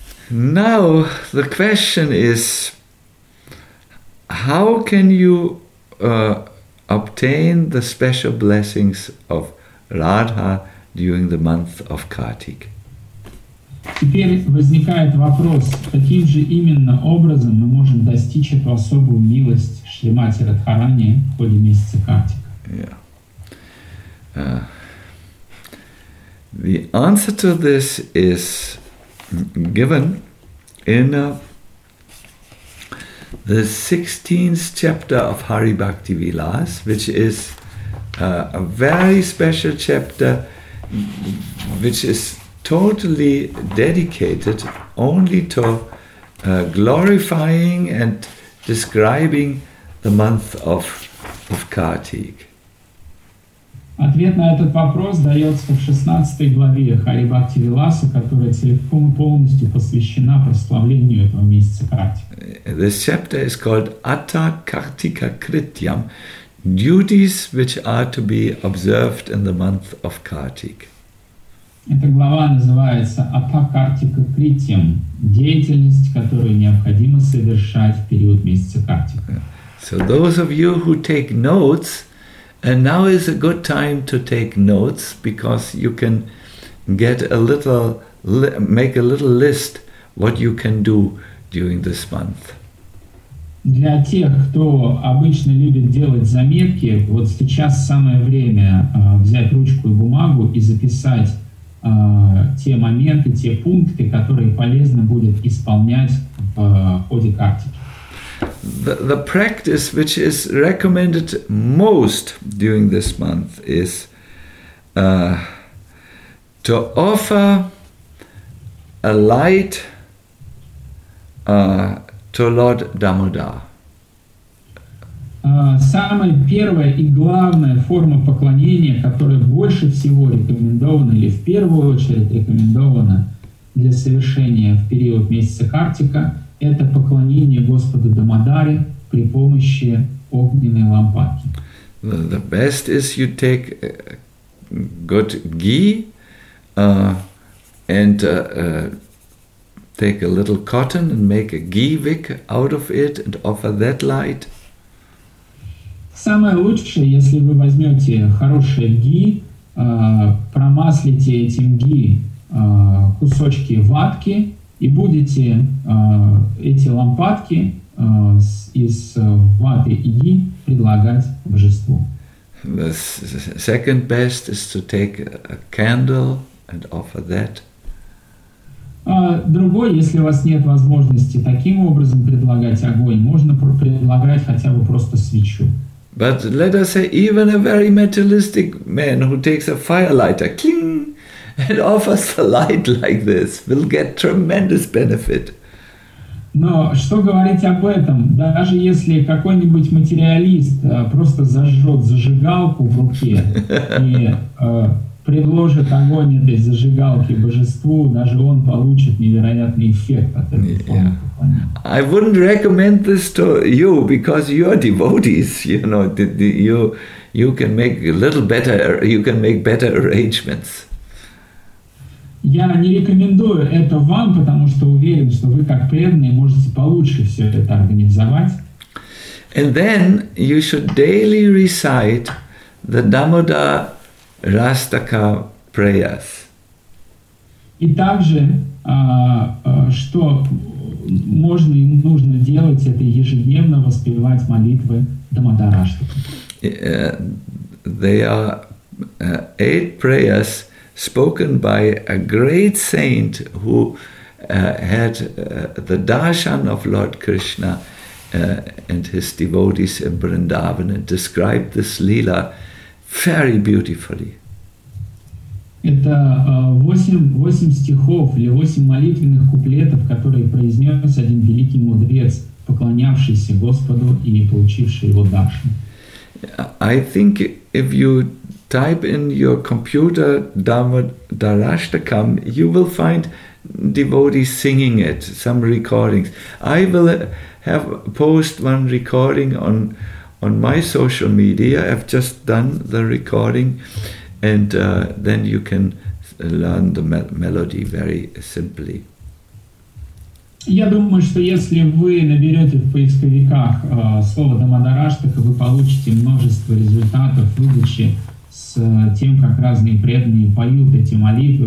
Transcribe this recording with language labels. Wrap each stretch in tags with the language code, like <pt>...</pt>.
<en>Now, the question is, how can you obtain the special blessings of Radha during the month of Kartik?</en> <ru>Теперь возникает вопрос, каким же именно образом мы можем достичь эту особую милость Шримати Радхарани в ходе месяца Картика?</ru> <en>Yeah. The answer to this is given in the 16th chapter of Hari Bhakti Vilas, which is a very special chapter, which is totally dedicated only to glorifying and describing the month of Kartik.</en> <ru>Ответ на этот вопрос дается в 16 главе Хари Бхакти Виласа, которая целиком и полностью посвящена прославлению этого месяца Картика.</ru> <en>This chapter is called Atta Kartika Krityam, duties which are to be observed in the month of Kartik.</en> <ru>Эта глава называется Atta Kartika Krityam, деятельность, которую необходимо совершать в период месяца Картика.</ru> <en>So those of you who take notes, and now is a good time to take notes because you can get a little, make a little list what you can do during this month.</en> <ru>Для тех, кто обычно любит делать заметки, вот сейчас самое время взять ручку и бумагу и записать те моменты, те пункты, которые полезно будет исполнять в ходе Картики.</ru> <en>The practice which is recommended most during this month is to offer a light to Lord Damodar.</en> <ru>Самая первая и главная форма поклонения, которая больше всего рекомендована или в первую очередь рекомендована для совершения в период месяца Картика, это поклонение Господу Дамодаре при помощи огненной лампадки.</ru> <en>The best is you take good ghee and take a little cotton and make a ghee wick out of it and offer that light.</en> <ru>Самое лучшее, если вы возьмете хорошее ги, промаслите этим ги кусочки ватки, и будете эти лампадки из ваты и ги предлагать божеству.</ru> <en>The second best is to take a candle and offer that.</en> <ru>Другой, если у вас нет возможности таким образом предлагать огонь, можно предлагать хотя бы просто свечу.</ru> <en>But let us say even a very materialistic man who takes a fire lighter, cling, and offers a light like this will get tremendous benefit.</en> <ru>Но что говорить об этом? Даже если какой-нибудь материалист просто зажжет зажигалку в руке и предложит огонь этой зажигалки божеству, даже он получит невероятный эффект от этого.</ru> <en>I wouldn't recommend this to you because you are devotees. You know, you can make a little better. You can make better arrangements.</en> <ru>Я не рекомендую это вам, потому что уверен, что вы как преданные можете получше все это организовать.</ru> <en>And then you should daily recite the Damodar Rastaka prayers.</en> <ru>И также, что можно и нужно делать, это ежедневно воспевать молитвы Damodar Rastaka.</ru> <en>They are 8 prayers spoken by a great saint who had the darshan of Lord Krishna and his devotees in Vrindavan and described this leela very beautifully.</en> <ru>Это 8 стихов или 8 молитвенных куплетов, которые произнес один великий мудрец, поклонявшийся Господу и не получивший его даршан.</ru> <en>I think if you type in your computer Damodar Rastaka, you will find devotees singing it, some recordings. I will have post one recording on my social media. I've just done the recording, and then you can learn the melody very simply.</en> <ru>Я думаю, что если вы наберете в поисковиках слово «Дамодараштха», вы получите множество результатов выдачи с тем, как разные преданные поют эти молитвы.</ru>